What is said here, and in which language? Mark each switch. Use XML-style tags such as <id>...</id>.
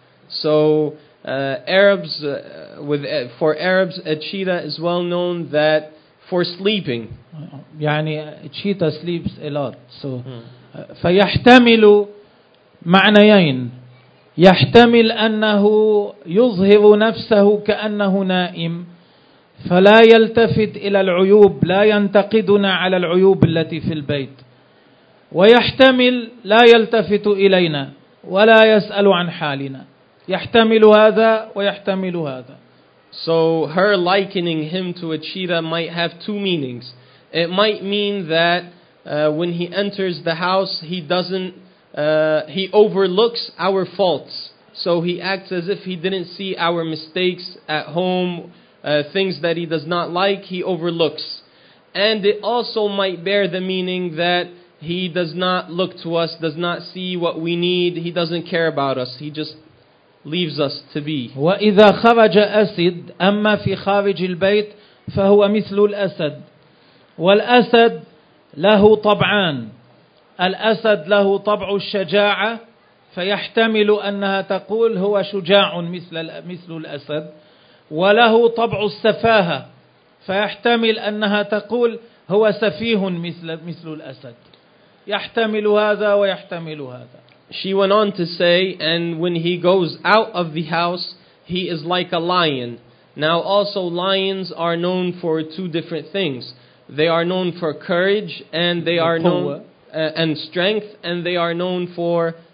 <en>So Arabs for Arabs a cheetah is well known that for sleeping. يعني cheetah sleeps a lot.</en> <ar>So فيحتمل معنيين. يحتمل أنه يظهر نفسه كأنه نائم فلا يلتفت إلى العيوب، لا ينتقدنا على العيوب التي في البيت، ويحتمل لا يلتفت إلينا ولا يسأل عن حالنا. يحتمل هذا ويحتمل هذا.</ar> <en>So her likening him to a cheetah might have two meanings. It might mean that when he enters the house he doesn't he overlooks our faults, so he acts as if he didn't see our mistakes at home. Things that he does not like, he overlooks. And it also might bear the meaning that he does not look to us, does not see what we need, he doesn't care about us, he just leaves us to be.</en> <ar>وَإِذَا خَرَجَ أَسِدْ أَمَّا فِي خَارِجِ الْبَيْتِ فَهُوَ مِثْلُ الْأَسَدْ. وَالْأَسَدْ لَهُ طَبْعَانِ. الْأَسَدْ لَهُ طَبْعُ الشَّجَاعَةِ فَيَحْتَمِلُ أَنَّهَا تَقُولُ هُوَ شُجَاعٌ مِثْلُ الْأَسَدْ. وله طبع السفاهة فيحتمل أنها تقول هو سفيه مثل الأسد. يحتمل هذا ويحتمل هذا.</ar> <en>She went on to say, and when he goes out of the house, he is like a lion. Now also lions are known for two different things. They are known for courage and they are known and strength, and they are known for</en>